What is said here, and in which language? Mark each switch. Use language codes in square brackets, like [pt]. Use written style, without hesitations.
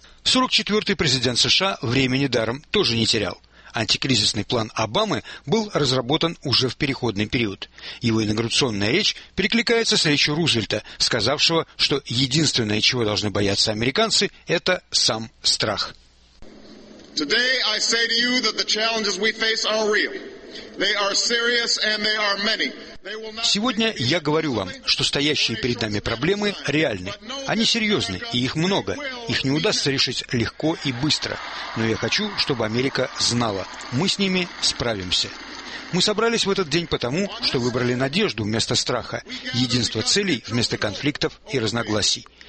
[ru] 44-й президент США времени даром тоже не терял. Антикризисный план Обамы был разработан уже в переходный период. Его инаугурационная речь перекликается с речью Рузвельта, сказавшего, что единственное, чего должны бояться американцы, это сам страх. [en] Today I say to you that the challenges we face are real. They are serious and they are many. [ru] Сегодня я говорю вам, что стоящие перед нами проблемы реальны. Они серьезны, и их много. Их не удастся решить легко и быстро. Но я хочу, чтобы Америка знала, мы с ними справимся. Мы собрались в этот день потому, что выбрали надежду вместо страха, единство целей вместо конфликтов и разногласий.